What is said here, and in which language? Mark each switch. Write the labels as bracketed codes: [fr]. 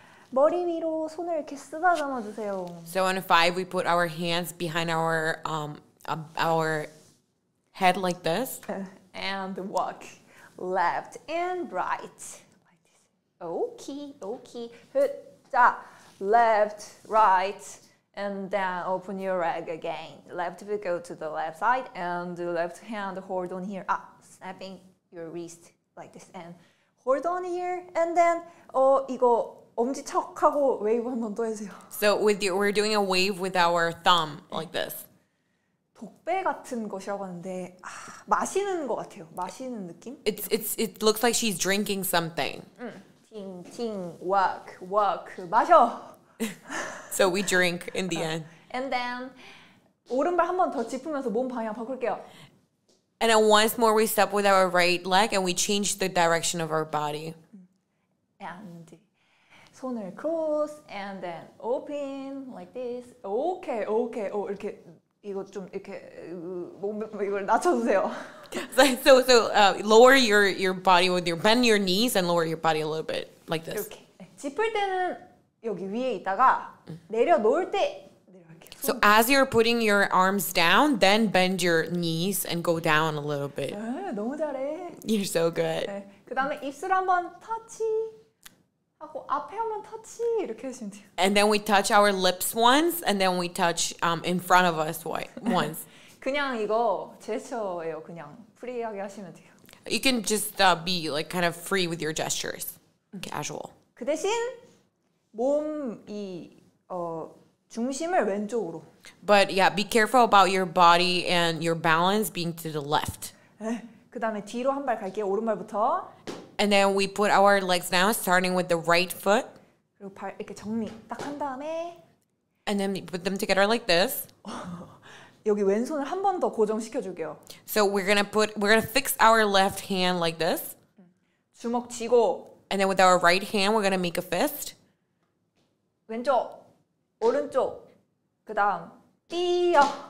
[ko] 머리 위로 손을 이렇게 쓰다 담아주세요. [en] So on 5, we put our hands behind our head like this. And walk left and right. Okay, okay. 흐다, left, right. And then open your leg again. Left foot go to the left side. And the left hand hold on here. Ah. Snapping your wrist like this and hold on here and then [ko] 이거 엄지 척 하고 웨이브 한번 또 해주세요. [en] So with your, we're doing a wave with our thumb like this. [ko] 독배 같은 것이라고 하는데 아, 마시는 것 같아요. 마시는 느낌? [en] It looks like she's drinking something. 팅, 팅, walk, walk, 마셔. So we drink in the end. [ko] And then 오른발 한번 더 짚으면서 몸 방향 바꿀게요. [en] And then once more, we step with our right leg and we change the direction of our body. And 손을 cross and then open like this. Okay, okay. [ko] Oh, 이렇게 이거 좀 이렇게 몸 이걸 낮춰주세요. [en] So lower your body with your bend your knees and lower your body a little bit like this. [ko] Okay. 짚을 때는 여기 위에 있다가 내려 놓을 때 내려. [en] So as you're putting your arms down, then bend your knees and go down a little bit. [ko] 너무 잘해. [en] You're so good. [ko] 그다음에 입술 한번 터치 하고 앞에 한번 터치 이렇게 하시면 돼요. [en] And then we touch our lips once, and then we touch in front of us once. [ko] 그냥 이거 제스처예요. 그냥 프리하게 하시면 돼요. [en] You can just be like kind of free with your gestures, casual. [ko] 그 대신 몸이 중심을 왼쪽으로. [en] But yeah, be careful about your body and your balance being to the left. [ko] 그다음에 뒤로 한 발 갈게요. 오른발부터. [en] And then we put our legs down, starting with the right foot. [ko] 그리고 발 이렇게 정리 딱 한 다음에. [en] And then we put them together like this. [ko] 여기 왼손을 한 번 더 고정시켜줄게요. [en] So we're gonna fix our left hand like this. [ko] 주먹 쥐고. [en] And then with our right hand, we're gonna make a fist. [ko] 왼쪽, 오른쪽, 그다음 뛰어.